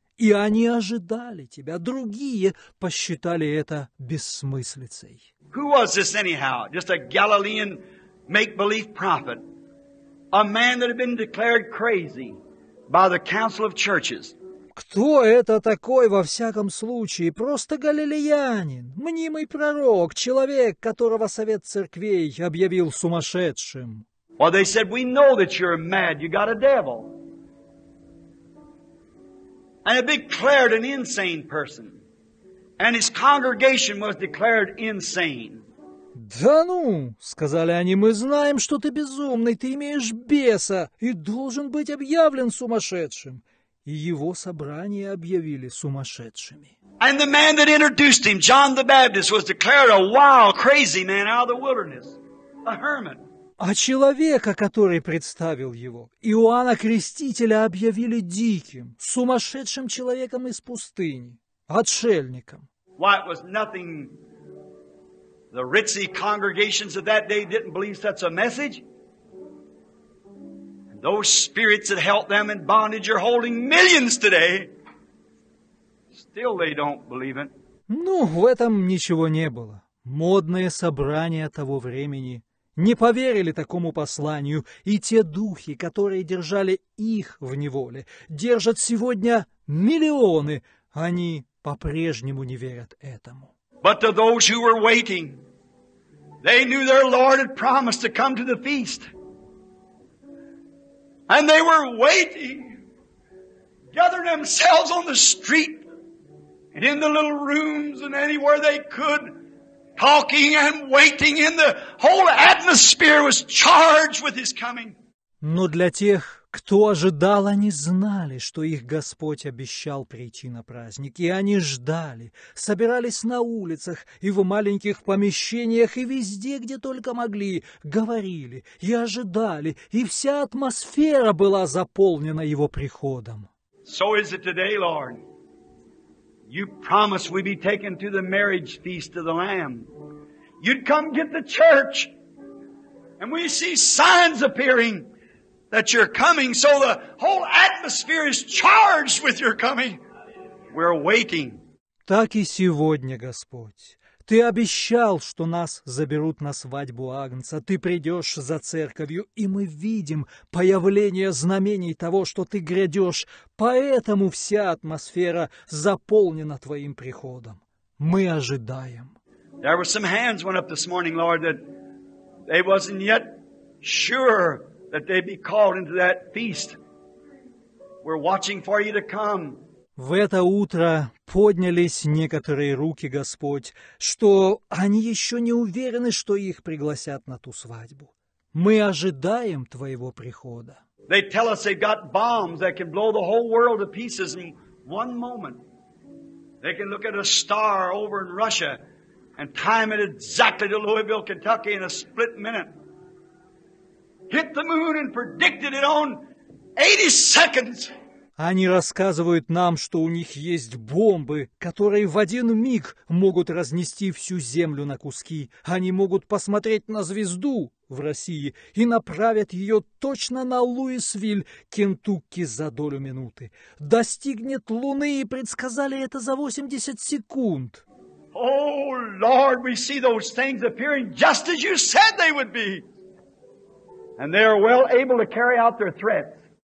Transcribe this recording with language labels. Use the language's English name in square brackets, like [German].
[Russian] И они ожидали тебя. Другие посчитали это бессмыслицей. [English] Who was this anyhow? Just a Galilean make-believe prophet. A man that had been declared crazy by the Council of Churches. [Russian] Кто это такой, во всяком случае? Просто галилеянин, мнимый пророк, человек, которого совет церквей объявил сумасшедшим. [English] Well, they said, we know that you're mad, you got a devil. And it declared an insane person. And his congregation was declared insane. [Russian] Да ну, сказали они, мы знаем, что ты безумный, ты имеешь беса и должен быть объявлен сумасшедшим. И его собрание объявили сумасшедшими. [English] And the man that introduced him, John the Baptist, was declared a wild, crazy man out of the wilderness, a hermit. [Russian] А человека, который представил его, Иоанна Крестителя, объявили диким, сумасшедшим человеком из пустыни, отшельником. [English] Why it was nothing. The ritzy congregations of that day didn't believe such a message. And those spirits that held them in bondage are holding millions today. Still they don't believe it. [Russian] Ну, в этом ничего не было. Модные собрания того времени не поверили такому посланию, и те духи, которые держали их в неволе, держат сегодня миллионы, они по-прежнему не верят этому. [English] But to those who were waiting, they knew their Lord had promised to come to the feast. And they were waiting, gathering themselves on the street and in the little rooms and anywhere they could, talking and waiting, and the whole atmosphere was charged with his coming. [Russian] Но для тех, кто ожидал, они знали, что их Господь обещал прийти на праздник, и они ждали, собирались на улицах и в маленьких помещениях, и везде, где только могли, говорили и ожидали, и вся атмосфера была заполнена его приходом. [English] So is it today, Lord. You promised we'd be taken to the marriage feast of the Lamb. You'd come get the church, and we see signs appearing. That you're coming, so the whole atmosphere is charged with your coming. We're waiting. [Russian] Так и сегодня, Господь, Ты обещал, что нас заберут на свадьбу Агнца. Ты придешь за церковью, и мы видим появление знамений того, что Ты грядешь. Поэтому вся атмосфера заполнена Твоим приходом. Мы ожидаем. [English] There were some hands went up this morning, Lord, that they wasn't yet sure. That they be called into that feast. We're watching for you to come. [Russian] В это утро поднялись некоторые руки, Господь, что они еще не уверены, что их пригласят на ту свадьбу. Мы ожидаем твоего прихода. [English] They tell us they've got bombs that can blow the whole world to pieces in one moment. They can look at a star over in Russia and time it exactly to Louisville, Kentucky in a split minute. Hit the moon and predicted it on 80 seconds. [Russian] Они рассказывают нам, что у них есть бомбы, которые в один миг могут разнести всю землю на куски. Они могут посмотреть на звезду в России и направят ее точно на Луисвилль, Кентукки за долю минуты. Достигнет Луны и предсказали это за 80 секунд. [English] Oh, Lord, we see those things appearing just as you said they would be. And they are well able to carry out their threats.